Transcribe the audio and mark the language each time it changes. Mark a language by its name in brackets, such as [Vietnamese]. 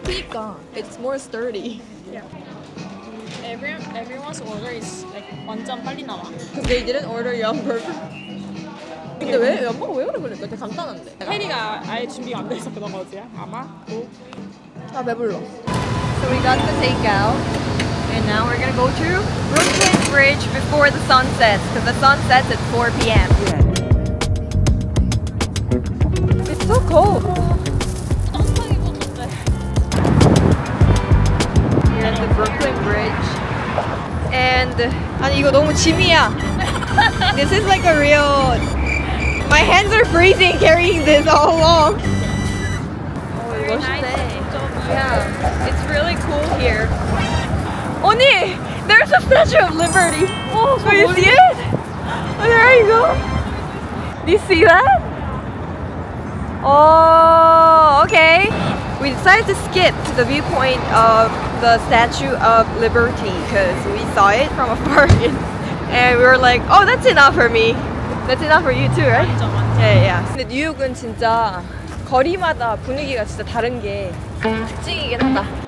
[Korean] 그니까. [English] It's more sturdy. Yeah. Everyone's order is like [Korean] 완전 빨리 나와. [English] Because they didn't order yum burger. [Korean] 근데 왜 엄마가 왜 그래 그랬을까? 되게 간단한데. 혜리가 아예 준비 안 됐었던 거지야? 아마? 아 배불러. [English] So we got the takeout. And now we're gonna go to Brooklyn Bridge before the sun sets, because the sun sets at 4 p.m. Yeah. It's so cold. We're at the Brooklyn Bridge. And [Korean] 아니 이거 너무 짐이야. [English] This is like a real. My hands are freezing carrying this all along. Very nice. Yeah, it's really cool here. Oni, there's a Statue of Liberty. Oh, can you see it? Oh, there you go. Do you see that? Oh, okay. We decided to skip to the viewpoint of the Statue of Liberty because we saw it from afar and we were like, oh, that's enough for me. That's enough for you too, right? Yeah, yeah. [Korean] 근데 뉴욕은 진짜 거리마다 분위기가 진짜 다른 게 찡이긴 하다.